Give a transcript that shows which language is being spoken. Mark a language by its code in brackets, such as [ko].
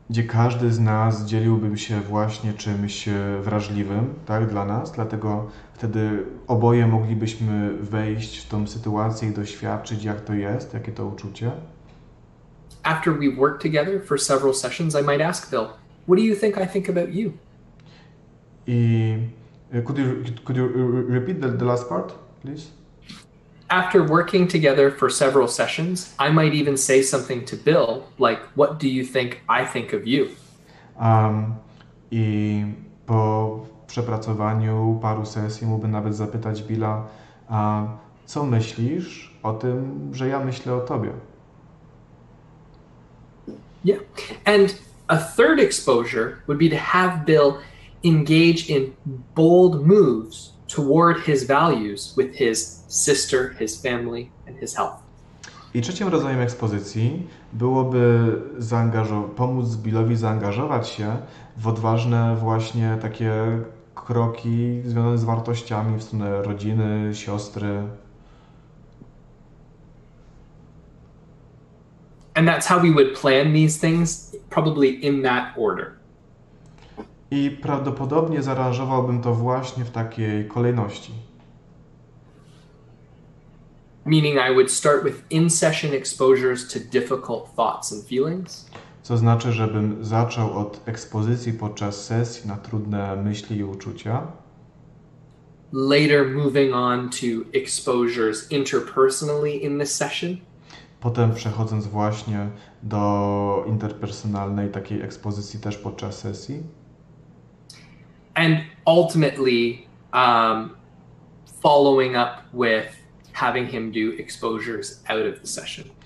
[pl] Gdzie każdy z nas dzieliłby się właśnie czymś wrażliwym, tak, dla nas, dlatego wtedy oboje moglibyśmy wejść w tą sytuację i doświadczyć, jak to jest, jakie to uczucie. [en] After we've worked together for several sessions, I might ask Bill, what do you think I think about you? I could you repeat the last part, please? After working together for several sessions, I might even say something to Bill, like, what do you think I think of you? [pl] I po przepracowaniu paru sesji mógłbym nawet zapytać Billa, co myślisz o tym, że ja myślę o tobie? [en] Yeah, and a third exposure would be to have Bill engage in bold moves toward his values with his sister, his family, and his health. [pl] I trzecim rodzajem ekspozycji byłoby pomóc Billowi zaangażować się w odważne właśnie takie kroki związane z wartościami w stronę rodziny, siostry. [en] And that's how we would plan these things, probably in that order. [pl] I prawdopodobnie zaaranżowałbym to właśnie w takiej kolejności. [en] Meaning I would start with in-session exposures to difficult thoughts and feelings. [pl] Co znaczy, żebym zaczął od ekspozycji podczas sesji na trudne myśli i uczucia. [en] Later moving on to exposures interpersonally in the session. [pl] Potem przechodząc właśnie do interpersonalnej takiej ekspozycji też podczas sesji. [en] And ultimately following up with having him do exposures out of the session.